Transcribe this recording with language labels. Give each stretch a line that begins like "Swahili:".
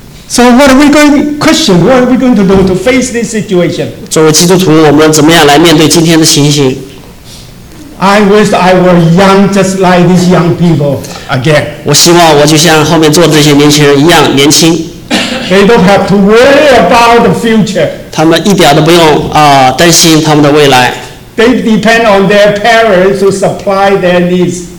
English: So what are we going, Christian, what are we going to do to face this situation?
Chinese: 作为基督徒，我们怎么样来面对今天的情形？
English: I wish I were young just like these young people again.
Chinese: 我希望我就像后面坐的这些年轻人一样年轻。
English: They don't have to worry about the future.
Chinese: 他们一点都不用担心他们的未来。
English: They depend on their parents to supply their needs.